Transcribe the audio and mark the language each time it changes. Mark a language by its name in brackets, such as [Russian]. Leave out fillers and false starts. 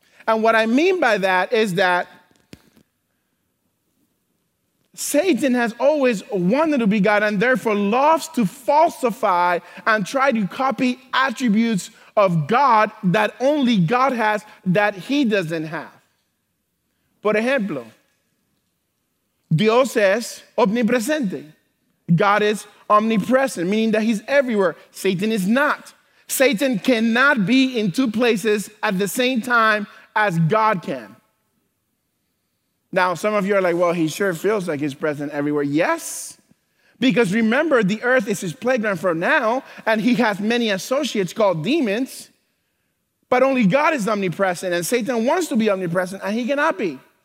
[English] And what I mean by that is that Satan has always wanted to be God and therefore loves to falsify and try to copy attributes of God that only God has that he doesn't have. [Spanish] Por ejemplo, Dios es omnipresente. [English] God is omnipresent, meaning that he's everywhere. Satan is not. Satan cannot be in two places at the same time as God can. Now, some of you are like, well, he sure feels like he's present everywhere. Yes, because remember, the earth is his playground for now, and he has many associates called demons, but only God is omnipresent, and Satan wants to be omnipresent, and he cannot be.